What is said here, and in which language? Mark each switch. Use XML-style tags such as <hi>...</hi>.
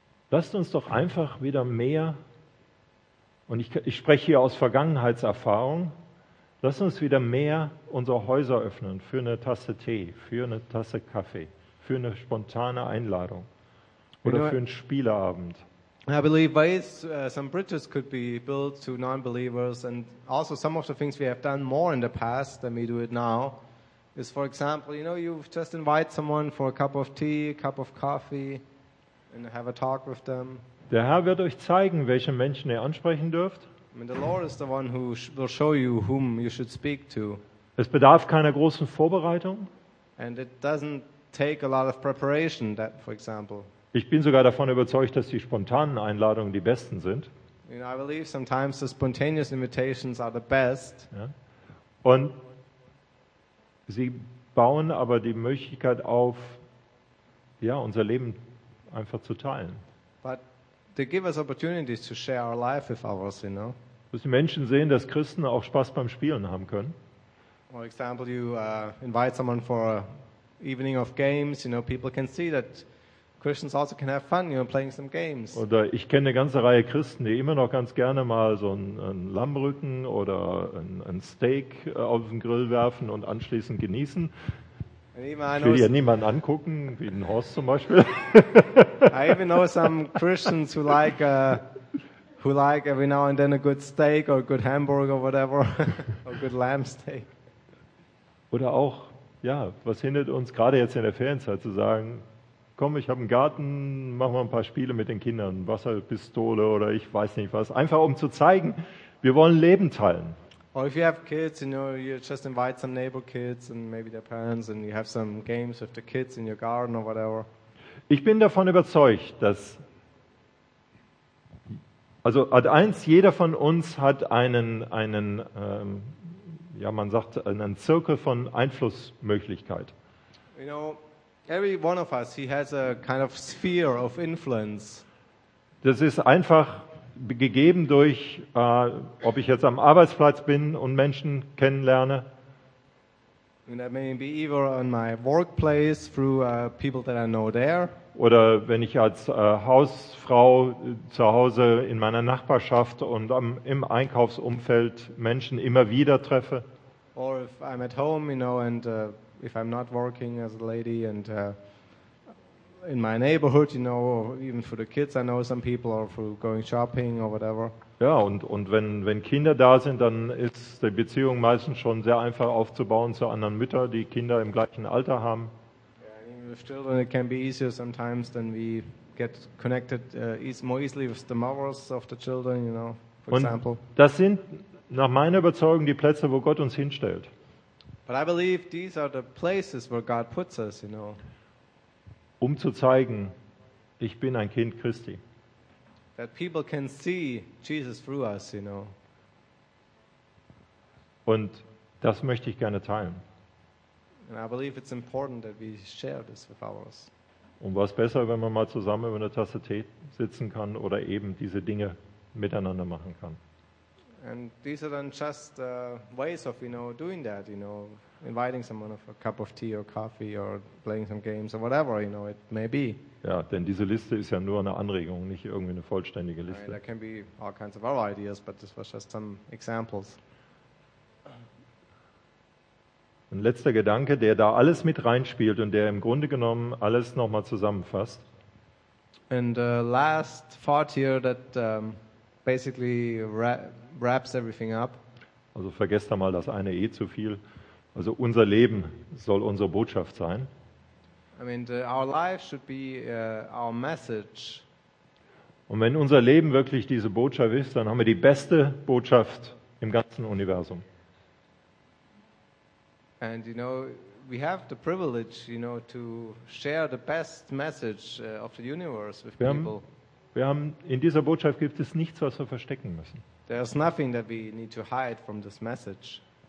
<de>Lasst uns doch einfach wieder mehr, und ich spreche hier aus Vergangenheitserfahrung, lasst uns wieder mehr unsere Häuser öffnen für eine Tasse Tee, für eine Tasse Kaffee, für eine spontane Einladung oder für einen Spieleabend.</de> <en>I believe ways, some bridges could be built to non-believers, and also some of the things we have done more in the past than we do it now is, for example, you know, you just invite someone for a cup of tea, a cup of coffee, and have a talk with them.</en> <de>Der Herr wird euch zeigen, welche Menschen ihr ansprechen dürft.</de> <en>I mean, the Lord is the one who will show you whom you should speak to.</en> <de>Es bedarf keiner großen Vorbereitung.</de> <en>And it doesn't take a lot of preparation, that, for example.</en> <de>Ich bin sogar davon überzeugt, dass die spontanen Einladungen die besten sind.</de> <en>You know, I believe sometimes the spontaneous invitations are the best.</en> <de>Ja. Und sie bauen aber die Möglichkeit auf, ja, unser Leben einfach zu teilen.</de> <en>But they give us opportunities to share our life with others, you know.</en> <de>Dass die Menschen sehen, dass Christen auch Spaß beim Spielen haben können.</de> <en>For example, you invite someone for an evening of games, you know, people can see that Christians also can have fun, you know, playing some games.</en> <de>Oder ich kenne eine ganze Reihe Christen, die immer noch ganz gerne mal so ein Lammrücken oder ein Steak auf den Grill werfen und anschließend genießen. Ich will ja niemanden angucken, wie den Horst zum Beispiel.</de> <en>I even know some Christians who like who like every now and then a good steak or a good hamburger or whatever, or good lamb steak.</en> <de>Oder auch, ja, was hindert uns gerade jetzt in der Ferienzeit zu sagen, komm, ich habe einen Garten, machen wir ein paar Spiele mit den Kindern, Wasserpistole oder ich weiß nicht was, einfach um zu zeigen, wir wollen Leben teilen.</de> <en>Or if you have kids, you know, you just invite some neighbor kids and maybe their parents and you have some games with the kids in your garden or whatever.</en> <de>Ich bin davon überzeugt, dass, also Art 1, jeder von uns hat einen ja, man sagt, einen Zirkel von Einflussmöglichkeit.</de> <en>You know, every one of us, he has a kind of sphere of influence.</en> <de>Das ist einfach gegeben durch, ob ich jetzt am Arbeitsplatz bin und Menschen kennenlerne.</de> <en>And that may be either on my workplace through people that I know there.</en> <de>Oder wenn ich als Hausfrau zu Hause in meiner Nachbarschaft und im Einkaufsumfeld Menschen immer wieder treffe.</de> <en>Or if I'm at home, you know, and if I'm not working as a lady and in my neighborhood, you know, or even for the kids, I know some people or for going shopping or whatever.</en> <de>Ja, und wenn Kinder da sind, dann ist die Beziehung meistens schon sehr einfach aufzubauen zu anderen Müttern, die Kinder im gleichen Alter haben.</de> <en>Yeah, even with children, it can be easier sometimes than we get connected more easily with the mothers of the children, you know, for</en> <de>und</de> <en>example.</en> <de>Das sind nach meiner Überzeugung die Plätze, wo Gott uns hinstellt.</de> <en>But I believe these are the places where God puts us, you know.</en> <de>Um zu zeigen, ich bin ein Kind Christi.</de> <en>That people can see Jesus through us, you know.</en> <de>Und das möchte ich gerne teilen.</de> <en>And I believe it's important that we share this with others.</en> <de>Und was besser, wenn man mal zusammen über eine Tasse Tee sitzen kann oder eben diese Dinge miteinander machen kann.</de> <en>And these are then just ways of, you know, doing that, you know, inviting someone for a cup of tea or coffee or playing some games or whatever, you know, it may be.</en> <de>Ja, denn diese Liste ist ja nur eine Anregung, nicht irgendwie eine vollständige Liste.</de> <en>There can be all kinds of other ideas, but this was just some examples.</en> <de>Ein letzter Gedanke, der da alles mit reinspielt und der im Grunde genommen alles nochmal zusammenfasst.</de> <en>And the last thought here that basically wraps everything up.</en> <de>Also vergesst da mal das eine eh zu viel. Also unser Leben soll unsere Botschaft sein.</de> <en>I mean, our life should be our message.</en> <de>Und wenn unser Leben wirklich diese Botschaft ist, dann haben wir die beste Botschaft im ganzen Universum.</de> <en>And you know, we have the privilege, you know, to share the best message of the universe with people.</en> <de>Wir haben in dieser Botschaft gibt es nichts, was wir verstecken müssen.</de> <en>There's nothing that we need to hide from this message.</en>